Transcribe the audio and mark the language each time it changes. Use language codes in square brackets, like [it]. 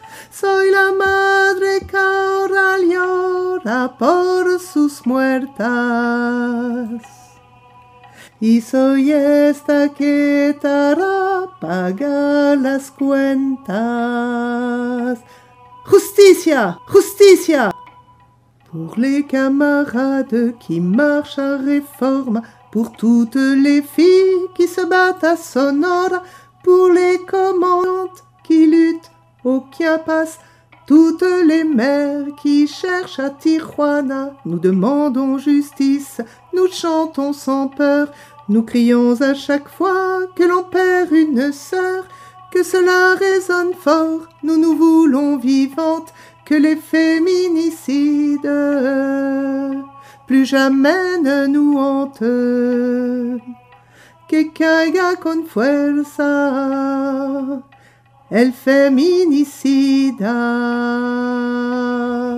[es] Soy la madre que ahora llora por sus muertas. Y soy esta que te hará pagar las cuentas. ¡Justicia! ¡Justicia! [fr] Pour les camarades qui marchent à réforme, pour toutes les filles qui se battent à Sonora, pour les commandantes qui luttent au Chiapas, toutes les mères qui cherchent à Tijuana, nous demandons justice, nous chantons sans peur. Nous crions à chaque fois que l'on perd une sœur, que cela résonne fort, nous nous voulons vivantes, que les féminicides plus jamais ne nous hantent. [es] Que caiga con fuerza el feminicida.